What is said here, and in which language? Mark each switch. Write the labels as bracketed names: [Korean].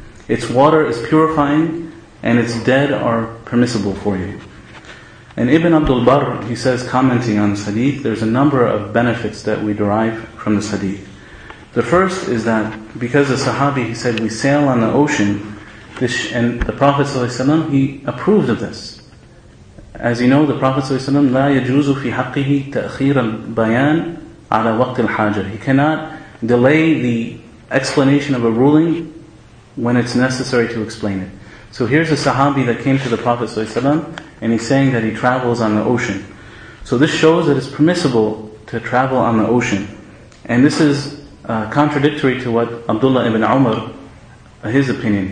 [English] Its water is purifying, and its dead are permissible for you. And Ibn Abdul Barr, he says, commenting on this hadith, there's a number of benefits that we derive from this hadith. The first is that because the Sahabi, he said, "We sail on the ocean," and the Prophet ﷺ, he approved of this. As you know, the Prophet ﷺ, [Arabic] لا يجوز في حقه تأخير البيان على وقت الحاجة. [English] He cannot delay the explanation of a ruling when it's necessary to explain it. So here's a Sahabi that came to the Prophet ﷺ, and he's saying that he travels on the ocean. So this shows that it's permissible to travel on the ocean. And this is contradictory to what Abdullah ibn Umar, his opinion.